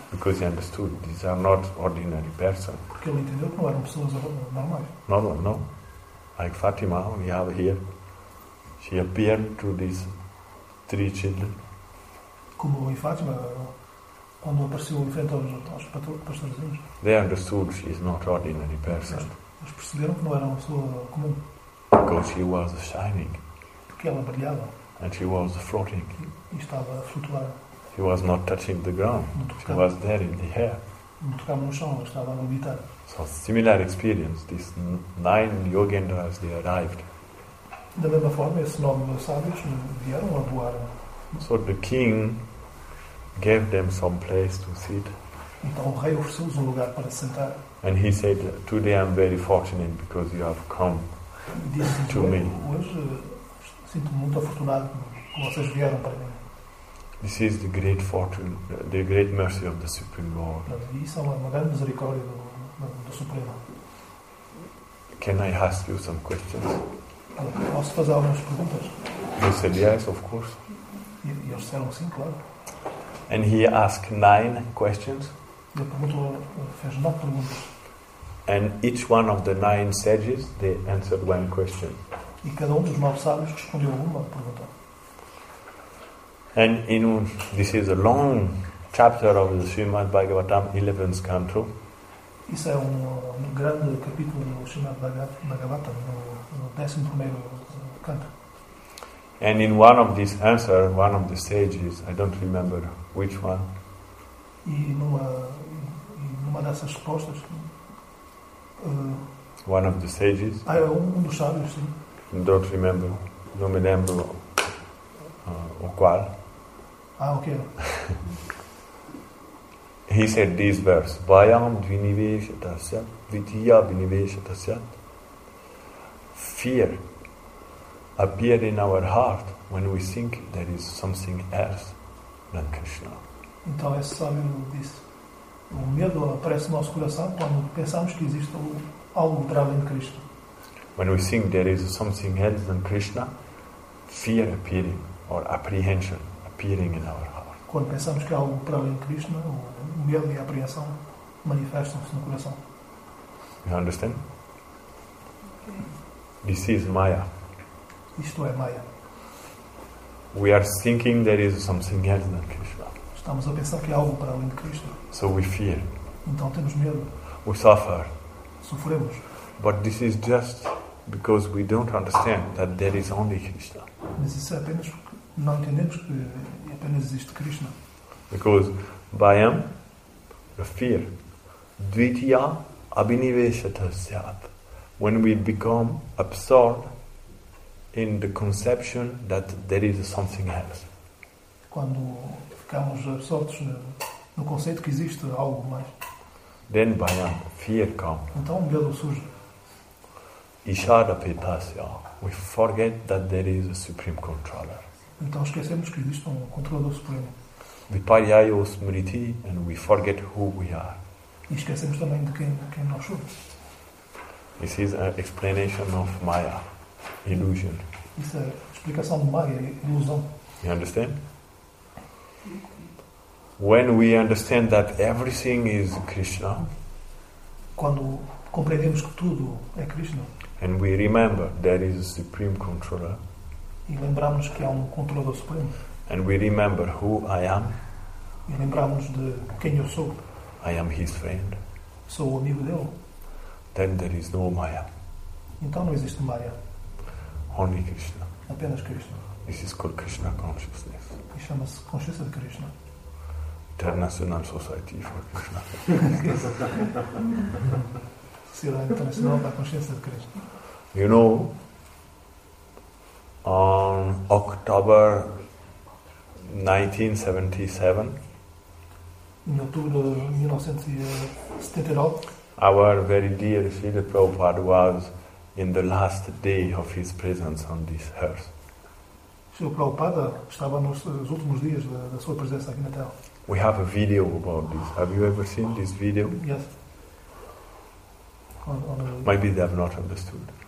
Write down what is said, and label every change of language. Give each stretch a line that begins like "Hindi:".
English: Because he understood these are not ordinary persons.
Portuguese: Porque ele entendeu que não eram pessoas normais. Normal, no.
English: Like Fatima, we have here. She appeared to these three children.
Portuguese: Como em Fatima, quando apareceu em frente aos pastorzinhos.
English: They understood she is not ordinary person.
Portuguese: Eles perceberam que não era uma pessoa comum.
English: Because she was shining.
Portuguese: Porque ela brilhava.
English: And she was floating.
Portuguese: E estava a flutuar.
English: She was not touching the ground. She was there in the air.
Portuguese: Não tocava no chão, ela estava a levitar.
English: So similar experience, these nine yogendras, they arrived.
Portuguese: Da mesma forma, esses nove sábios vieram a voar.
English: So the king gave them some place to sit.
Portuguese: Então o rei ofereceu-lhes um lugar para sentar.
English: And he said, today I'm very fortunate because you have come to me.
Portuguese: Hoje sinto-me muito afortunado que vocês vieram para mim.
English: This is the great fortune, the great mercy of the Supreme Lord.
Portuguese: Isso é uma grande misericórdia do Supremo.
English: Can I ask you some questions?
Portuguese: Posso fazer algumas perguntas?
English: You said yes, of course.
Portuguese: E eles disseram sim, claro.
English: And he asked nine questions.
Portuguese: Ele perguntou, fez nove perguntas.
English: And each one of the nine sages, they answered one question.
Portuguese: E cada dos nove sábios respondeu uma pergunta.
English: And this is a long chapter of the Srimad Bhagavatam, 11th canto.
Portuguese: Isso é um grande capítulo do Srimad Bhagavatam, no 11º canto.
English: And in one of these answers, one of the sages, I don't remember which one.
Portuguese: E numa dessas respostas.
English: One of the sages.
Portuguese: Ah, um dos sábios, sim.
English: Don't remember.
Portuguese: Não me lembro o qual. Ah, ok.
English: He said this verse:
Sanskrit: Vayam dvinivesatasya, vitiya dvinivesatasya.
English: Fear appears in our heart when we think there is something else than Krishna.
Portuguese: Então esse sábio disse: um medo aparece no nosso coração quando pensamos que existe algo para além de Krishna.
English: When we think there is something else than Krishna, fear appearing or apprehension appearing in our heart.
Portuguese: Quando pensamos que há algo para além de Krishna, o medo e a apreensão manifestam-se no coração.
English: You understand? This is Maya.
Portuguese: Isto é Maya.
English: We are thinking there is something else than Krishna.
Portuguese: Estamos a pensar que há algo para além de Krishna.
English: So we fear.
Portuguese: Então temos medo.
English: We suffer.
Portuguese: Sofremos.
English: But this is just because we don't understand that there is only Krishna.
Portuguese: Mas isso é apenas porque não entendemos que apenas existe Krishna.
English: Because bhayam, the fear, dvitiya, abhiniveshata syat. When we become absorbed in the conception that there is something else.
Portuguese: Quando ficamos absortos no conceito que existe algo mais.
English: Then bhayam, fear comes.
Portuguese: Então medo surge.
English: Ishara pipasya, we forget that there is a supreme controller.
Portuguese: Então esquecemos que existe um controlador supremo.
English: Vipariyayo smriti, and we forget who we are.
Portuguese: E esquecemos também de quem nós somos.
English: This is an explanation of Maya, illusion.
Portuguese: Isso é explicação de Maya, ilusão.
English: You understand? When we understand that everything is Krishna,
Portuguese: quando compreendemos que tudo é Krishna,
English: and we remember there is a supreme controller,
Portuguese: e lembramos que há um controlador supremo,
English: and we remember who I am,
Portuguese: e lembramos de quem eu sou,
English: I am his friend,
Portuguese: sou o amigo dele,
English: then there is no Maya.
Portuguese: Então não existe Maya.
English: Only Krishna.
Portuguese: Apenas Krishna.
English: This is called Krishna consciousness.
Portuguese: E chama-se consciência de Krishna.
English: International Society for Krishna.
Portuguese: Sociedade Internacional da Consciência de Krishna.
English: You know, on October 1977,
Portuguese: em outubro de 1979,
English: our very dear Srila Prabhupada was in the last day of his presence on this earth.
Portuguese: Srila Prabhupada estava nos últimos dias da sua presença aqui na Terra.
English: We have a video about this. Have you ever seen this video? Yes. Maybe they have not understood.